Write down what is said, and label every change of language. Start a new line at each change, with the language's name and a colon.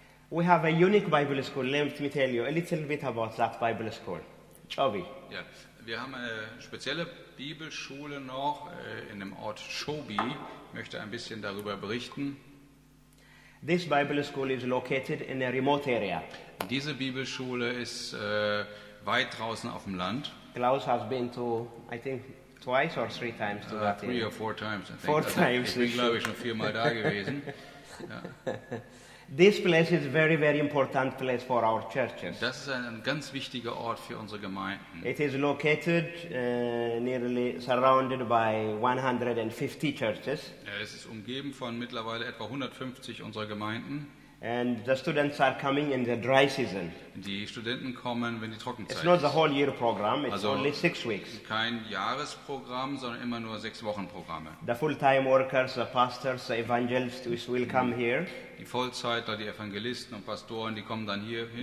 English: We have a unique Bible school. Let me tell you a little bit about that Bible school. Chobi.
German: Ja, wir haben eine spezielle Bibelschule noch in dem Ort Chobi. Ich möchte ein bisschen darüber berichten.
English: This Bible school is located in a remote area.
German: Diese Bibelschule ist weit draußen auf dem Land.
English: Klaus has been to, I think, twice or three times to Latvia? Three or four times, I think. Four times.
German: Ich bin, glaube ich, schon viermal da gewesen.
English: This place is a very, very important place for our churches.
German: Das ist ein ganz wichtiger Ort für unsere Gemeinden.
English: It is located nearly surrounded by 150 churches.
German: Ja, es ist umgeben von mittlerweile etwa 150 unserer Gemeinden.
English: And the students are coming in the dry season.
German: Die Studenten kommen, wenn die Trockenzeit ist.
English: It's not the whole year program, it's only 6 weeks.
German: Kein Jahresprogramm, sondern immer nur 6 Wochenprogramme.
English: The full-time workers, the pastors, the evangelists will come here.
German: Die Vollzeiter, die Evangelisten und Pastoren, die kommen dann hier hin.